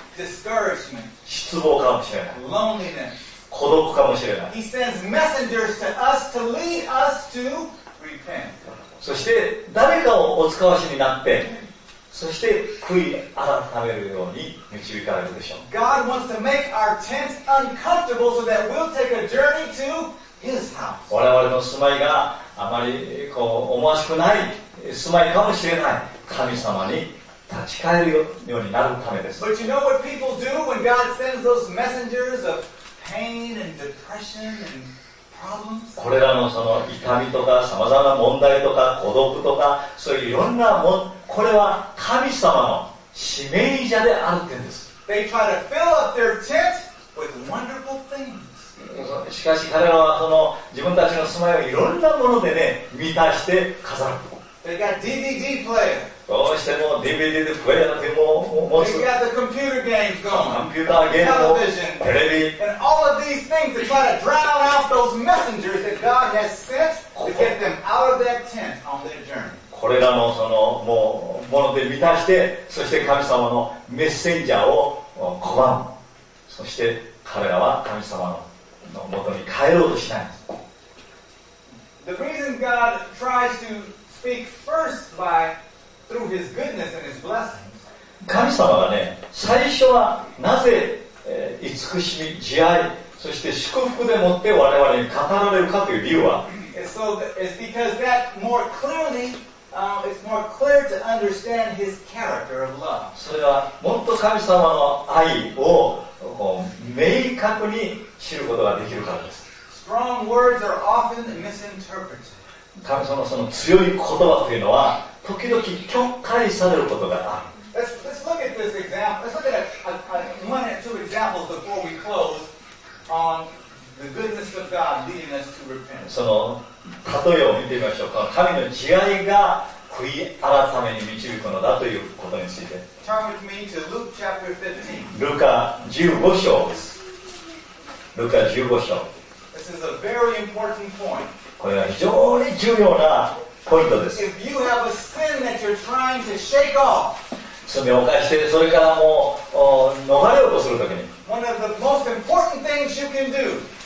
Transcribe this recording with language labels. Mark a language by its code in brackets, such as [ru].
[en] Discouragement. [ja] 失望かもしれない。 [en] Loneliness. [ja] 孤独かもしれない。 [en] He sends messengers to us to lead us to repent. [ja] そして誰かをお使わしになって、そして悔い改めるように導かれるでしょう。 [en] God wants to make our tents uncomfortable so that we'll take a journey to His house. [ja] 我々の住まいがあまりこう思わしくない住まいかもしれない神様に立ち返るようになるためです。 [en] But you know what people do when God sends those messengers of pain and depression and problems? [ja] これらのその痛みとかさまざまな問題とか孤独とかそういういろんなもん、これは神様の使命者であるというんです。 [en] They try to fill up their tent with wonderful things. [ja] しかし彼らはその自分たちの住まいをいろんなもので、ね、満たして飾る。 [en] They got DVD player. [ja] どうしても DVD でプレイヤーでも持つ。 [en] They got the computer games going. [ja] コンピューターゲームも、テレビ。 [en] And all of these things to try to drown out those messengers that God has sent to get them out of that tent on their journey. [ja] これらのその もので満たして、そして神様のメッセンジャーを拒む。そして彼らは神様のもとに帰ろうとしないんです。 [en] The reason God tries to speak first by through His goodness and His blessings. [ja] 神様がね、最初はなぜ、慈しみ、慈愛、そして祝福でもって我々に語られるかという理由は、 [en] So it's because that more clearly. It's more clear to understand His character of love. [ja] それはもっと神様の愛を明確に知ることができるからです。 [en] Strong words are often misinterpreted. [ja] 神様のその強い言葉というのは時々曲解されることがある。 [en] Let's look at this example. Let's look at one or two examples before we close on the goodness of God leading us to repent. [ja] その例えを見てみましょうか。神の慈愛が悔い改めに導くのだということについて。 [en] Turn with me to Luke chapter 15. [ja] ルカ15章です。ルカ15章。 [en] This is a very important point. [ja] これは非常に重要なポイントです。 [en] If you have a sin that you're trying to shake off, [ja] 罪を犯してそれからもう逃れようとするときに、 [en] One of the most important things you can do.